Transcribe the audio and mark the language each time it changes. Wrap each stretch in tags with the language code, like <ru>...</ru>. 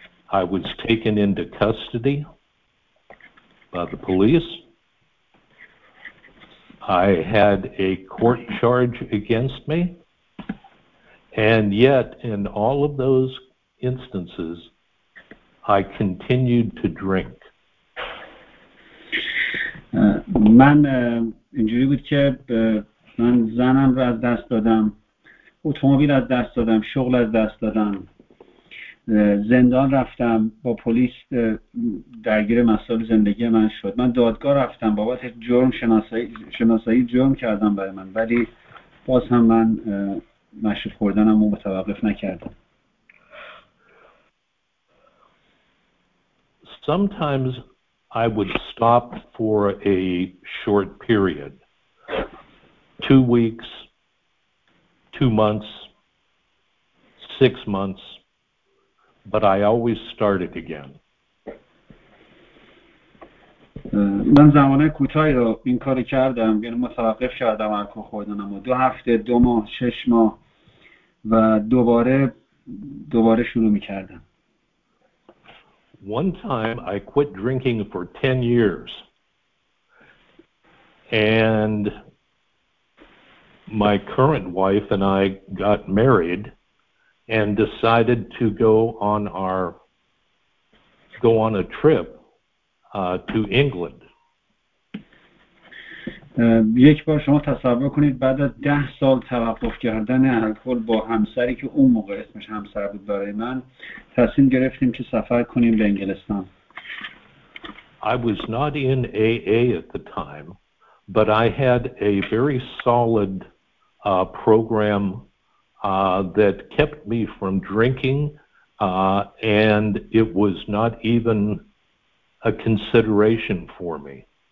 <en>I was taken into custody by the police. I had a court charge against me. And yet, in all of those instances, I continued to drink.</en> <fa>من اینجوری بود که من زنم رو از دست دادم، اتومبیل از دست دادم، شغل از دست دادم، زندان رفتم، با پلیس درگیر مسائل زندگی من شد. من دادگاه رفتم، بابت جرم شناسایی جرم کردم برای من، ولی باز هم من مشروب خوردنم رو متوقف نکردم.</fa> <en>sometimes I would stop for a short period, 2 weeks, 2 months, 6 months, but I always started again.</en> <fa>من زمان کوتاهی رو این کاری کردم یعنی متوقف شدم الکل خوردنم و دو هفته دو ماه شش ماه و دوباره شروع می‌کردم.</fa> <en>One time I quit drinking for 10 years and my current wife and I got married and decided to go on a trip to England.</en> <fa>یک بار شما تصور کنید بعد از 10 سال توقف کردن الکل با همسری که اون موقع اسمش همسر بود برای من تصمیم گرفتیم که سفر کنیم به انگلستان.</fa> <en>I was not in AA at the time, but I had a very solid program that kept me from drinking and it was not even a consideration for me.</en>